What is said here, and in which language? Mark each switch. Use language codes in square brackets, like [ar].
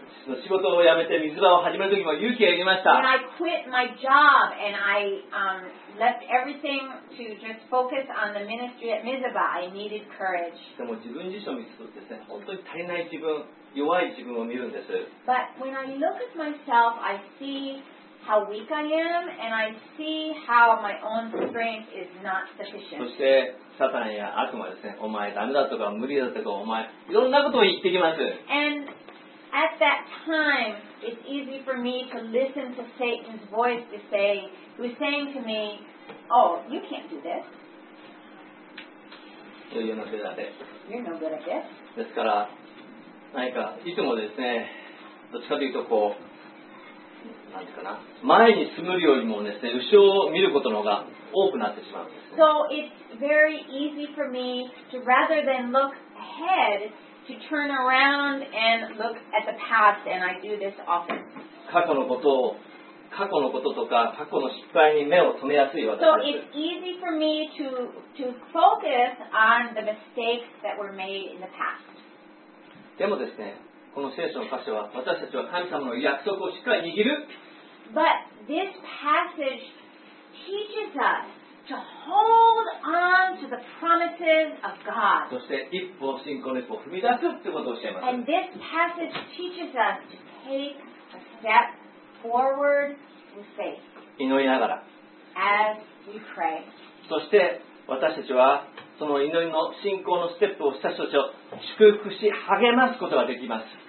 [ja] 仕事を辞めて水場を始めるときも勇気がいりました。 [en] When I quit my job and I left everything to just focus on the ministry at Mizuba, I needed courage. [ja] でも自分自身を見つつですね、本当に足りない自分、弱い自分を見るんです。 [en] But when I look at myself, I see how weak I am and I see how my own strength is not sufficient. [ja] そしてサタンや悪魔ですね、お前ダメだとか無理だとかお前いろんなことを言ってきます。 [en] And at that time, it's easy for me to listen to Satan's voice to say, who's saying to me, oh, you can't do this. You're no good at this. You're no good at this. [ja] ですから、何か、いつもですね、どっちかというとこう、なんていうかな、前に進むよりもですね、後ろを見ることの方が多くなってしまうんです。 [en] So it's very easy for me to rather than look ahead,to turn around and look at the past, and I do this often. [ja] 過去のこととか過去の失敗に目を留めやすい私です。 [en] So it's easy for me to focus on the mistakes that were made in the past. [ja] でもですね、この聖書の箇所は私たちは神様の約束をしっかり握る。 [en] But this passage teaches us. To hold on to the promises of God. [ja] そして一歩信仰の一歩踏み出すってことを教えます。 [en] And this passage teaches us to take a step forward in faith. [ja] 祈りながら。 [en] As we pray. [ja] そして私たちはその祈りの信仰のステップをした人たちを祝福し励ますことができます。